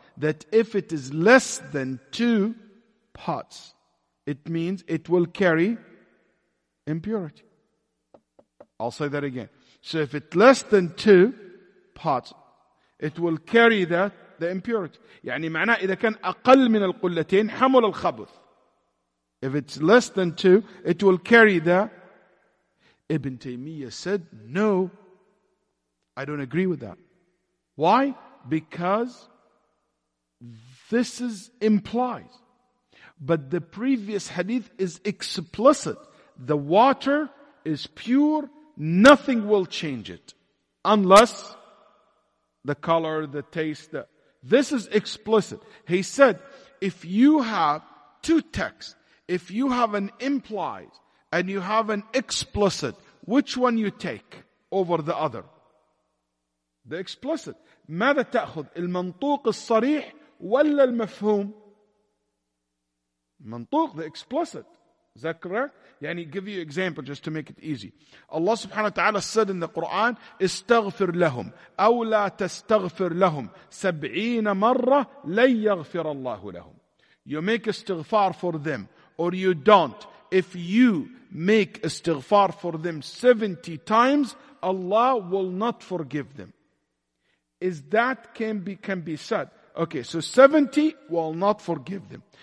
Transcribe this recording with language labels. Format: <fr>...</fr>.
<en>That if it is less than two pots, it means it will carry impurity. I'll say that again. So if it's less than two pots, it will carry the impurity.</en> <ar>يعني معنى إذا كان أقل من القلتين حمل الخبث.</ar> <en>If it's less than two, it will carry the... Ibn Taymiyyah said, no, I don't agree with that. Why? Because this is implies. But the previous hadith is explicit. The water is pure. Nothing will change it. Unless the color, the taste. This is explicit. He said, if you have two texts, if you have an implied and you have an explicit, which one you take over the other? The explicit.</en> <ar>ماذا تأخذ المنطوق الصريح ولا المفهوم؟ منطوق,</ar> <en>the explicit. Is that correct? يعني give you example just to make it easy. Allah subhanahu wa ta'ala said in the Quran,</en> <ar>استغفر لهم أو لا تستغفر لهم 70 مرة لن يغفر الله لهم.</ar> <en>You make استغفار for them or you don't. If you make استغفار for them 70 times, Allah will not forgive them. Is that can be said? Okay, so 70 will not forgive them.</en>